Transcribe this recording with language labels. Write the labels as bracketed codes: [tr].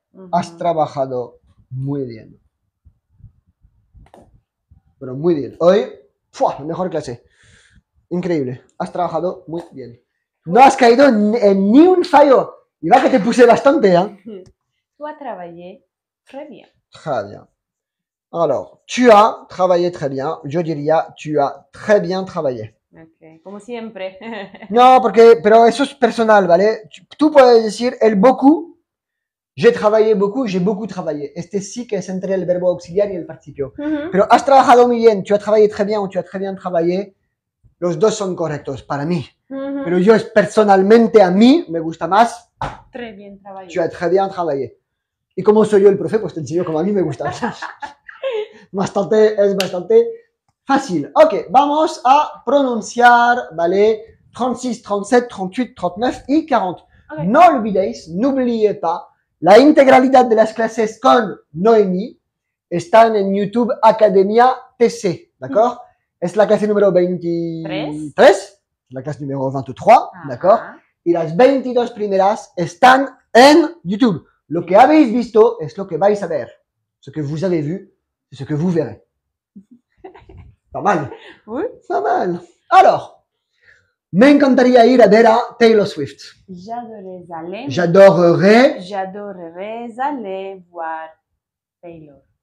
[es] Uh-huh. Has trabajado muy bien. Pero muy bien. Hoy, ¡fua! Mejor clase. Increíble. Has trabajado muy bien. No has caído en ni un fallo. Y va que te puse bastante, ¿eh? Tú has trabajado [fr] très bien. Très bien. Alors, tu has trabajé très bien. [es] Yo diría, tu has [fr] très bien [es] trabajé. Okay. Como siempre. No, porque, pero eso es personal, ¿vale? Tú puedes decir el beaucoup. [fr] J'ai travaillé beaucoup, j'ai beaucoup travaillé. [es] Este sí que es entre el verbo auxiliar y el participio. Uh-huh. Pero has trabajado muy bien, [fr] tu has travaillé très bien o tu has très bien travaillé. [es] Los dos son correctos para mí. Uh-huh. Pero yo personalmente a mí me gusta más. [fr] Très bien travaillé. Tu as très bien travaillé. [es] Y como soy yo el profe, pues te enseño como a mí me gusta. Bastante, es bastante. Fácil. Ok, vamos a pronunciar, ¿vale? 36, 37, 38, 39 y 40. Okay. No olvidéis, [fr] n'oubliez pas, [es] la integralidad de las clases con Noemí están en YouTube Academia TC, [fr] ¿d'accord? [es] Mm. Es la clase número 23, ¿tres? La clase número 23, ah, [fr] ¿d'accord? [es] Ah. Y las 22 primeras están en YouTube. Lo que habéis visto es lo que vais a ver. [fr] Lo que vous avez vu [es] es lo que [fr] vous verrez. Pas mal. Oui. Pas mal. Alors, [es] me encantaría ir a ver a Taylor Swift. [fr] J'adorerais aller. J'adorerais. J'adorerais aller voir Taylor.